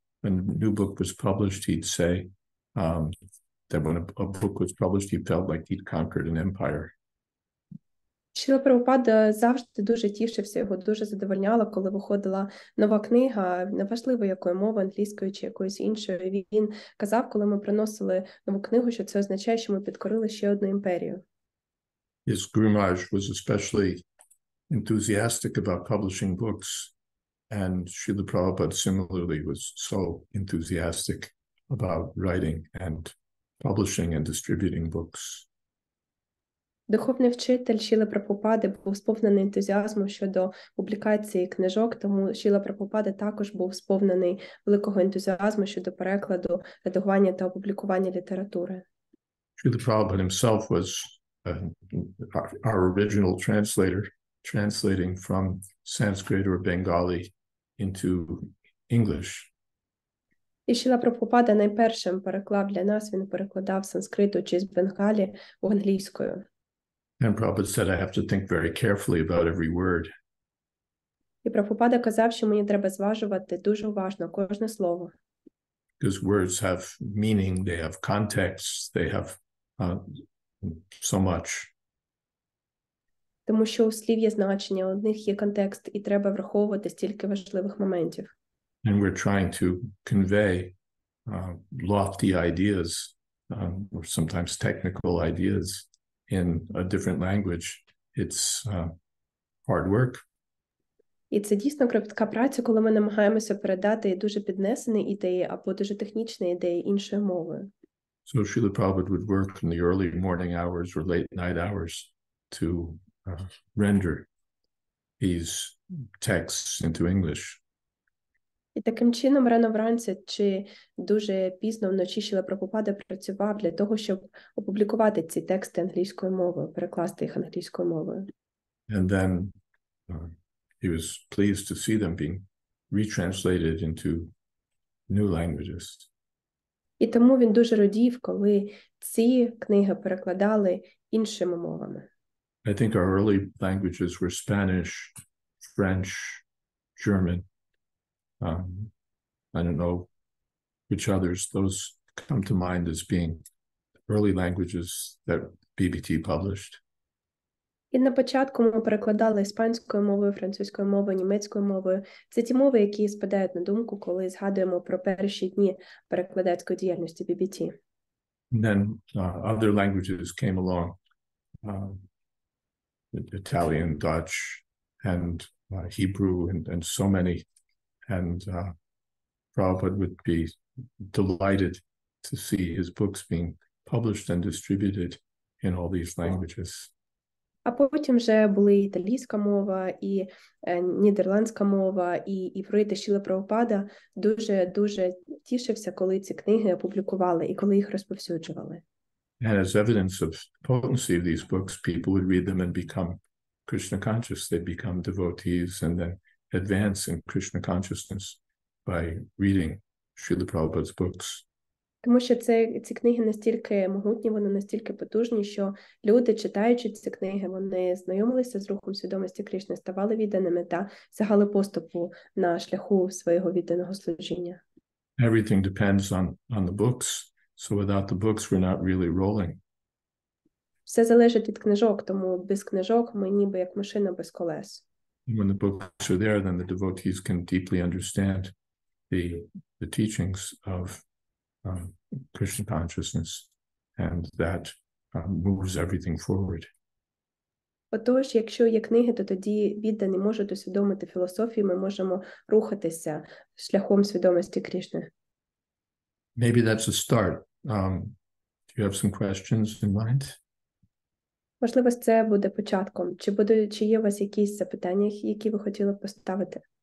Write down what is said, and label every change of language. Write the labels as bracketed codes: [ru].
[en] When a new book was published, he'd say that when a book was published, he felt like he'd conquered an empire. [uk] Шіла Прабхупада завжди дуже тішився, його дуже задовольняло, коли виходила нова книга, неважливо якої мови, англійською чи якоюсь іншою. Він казав, коли ми приносили нову книгу, що це означає, що ми підкорили ще одну імперію. [en] His Gurumaj was especially enthusiastic about publishing books, and Srila Prabhupada similarly was so enthusiastic about writing and publishing and distributing books. [uk] Духовний вчитель Шіла Прабхупади був сповнений ентузіазму щодо публікації книжок, тому Шіла Прабхупада також був сповнений великого ентузіазму щодо перекладу, редагування та опублікування літератури. [en] Шіла Прабхупада himself was our original translator translating from Sanskrit or Bengali into English. [uk] І Шіла Прабхупада найпершим переклав для нас, він перекладав санскриту чи з бенгалі англійською. [en] And Prabhupada said, I have to think very carefully about every word. [uk] І Прабхупада казав, що мені треба зважувати дуже уважно кожне слово. [en] Because words have meaning, they have context, they have so much. [uk] Тому що у слів є значення, у них є контекст, і треба враховувати стільки важливих моментів. [en] And we're trying to convey lofty ideas, or sometimes technical ideas, in a different language. It's hard work. [uk] І це дійсно кропітка праця, коли ми намагаємося передати дуже піднесені ідеї або дуже технічні ідеї іншою мовою. [en] So Srila Prabhupada would work in the early morning hours or late night hours to render these texts into English. [uk] І таким чином рано вранці чи дуже пізно вночі Шіла Прабхупада працював для того, щоб опублікувати ці тексти англійською мовою, перекласти їх англійською мовою. [en] And then he was pleased to see them being retranslated into new languages. [uk] І тому він дуже радів, коли ці книги перекладали іншими мовами. [en] I think our early languages were Spanish, French, German. I don't know which others. Those come to mind as being early languages that BBT published. [uk] І на початку ми перекладали іспанською мовою, французькою мовою, німецькою мовою. Це ті мови, які спадають на думку, коли згадуємо про перші дні перекладацької діяльності BBT. [en] And then other languages came along. Italian, Dutch, and Hebrew, and so many. And Prabhupada would be delighted to see his books being published and distributed in all these languages. [uk] А потім вже були італійська мова, і нідерландська мова, і іврит, Шіла Прабхупада дуже-дуже тішився, коли ці книги опублікували і коли їх розповсюджували. [en] And as evidence of potency of these books, people would read them and become Krishna conscious. They become devotees and then advance in Krishna consciousness by reading Srila Prabhupada's books. [uk] Тому що ці книги настільки могутні, вони настільки потужні, що люди, читаючи ці книги, вони знайомилися з рухом свідомості Кришни, ставали відданими та сягали поступу на шляху свого відданого служіння. [en] Everything depends on the books, so without the books we're not really rolling. [uk] Все залежить від книжок, тому без книжок ми ніби як машина без колес. [en] And when the books are there, then the devotees can deeply understand the teachings of Krishna consciousness, and that moves everything forward. [uk] Отож, якщо є книги, то тоді віддані можуть усвідомити філософію, ми можемо рухатися шляхом свідомості Кришни. [en] Maybe that's a start. Do you have some questions in mind? [uk] Можливо, це буде початком. Чи є у вас якісь запитання, які ви хотіли б поставити?